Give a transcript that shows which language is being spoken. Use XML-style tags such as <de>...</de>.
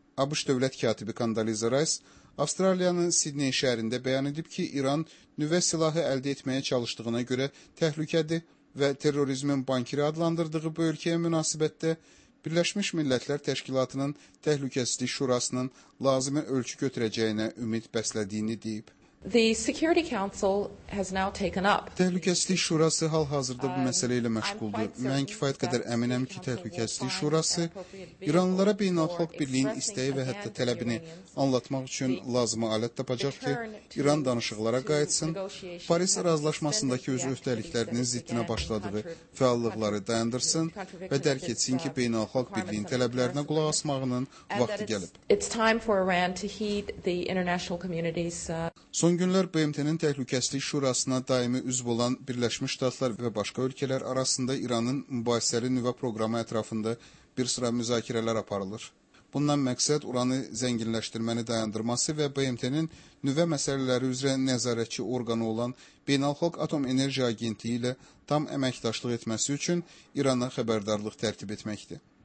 <az>ABŞ dövlət katibi Condoleezza Rice Avstraliyanın Sidney şəhərində bəyan edib ki, İran nüvə silahı əldə etməyə çalışdığına görə təhlükədir və terrorizmin bankiri adlandırdığı bu ölkəyə münasibətdə Birləşmiş Millətlər Təşkilatının Təhlükəsizlik Şurasının lazımi ölçü götürəcəyinə ümid bəslədiyini deyib.</az> <en>The Security Council has now taken up.</en> <az>Təhlükəsizlik Şurası hal-hazırda bu məsələ ilə məşğuldur. Mən kifayət qədər əminəm ki, Təhlükəsizlik Şurası İranlılara beynəlxalq birliyin istəyi və hətta tələbini anlatmaq üçün lazımı alət tapacaq ki, İran danışıqlara qayıtsın, Paris razılaşmasındakı öz öhdəliklərinin ziddinə başladığı fəallıqları dayandırsın və dərk etsin ki, beynəlxalq birliyin tələblərinə qulaq asmağının vaxtı gəlib.</az> <en>It's time for Iran to heed the international community's</en> <az>Son günlər BMT-nin Təhlükəsizlik Şurasına daimi üzv olan Birləşmiş Ştatlar və başqa ölkələr arasında İranın mübahisəli nüvə proqramı ətrafında bir sıra müzakirələr aparılır. Bundan məqsəd uranı zənginləşdirməni dayandırması və BMT-nin nüvə məsələləri üzrə nəzarətçi orqanı olan Beynəlxalq Atom Enerji Agentliyi ilə tam əməkdaşlıq etməsi üçün İrana xəbərdarlıq tərtib etməkdir.</az>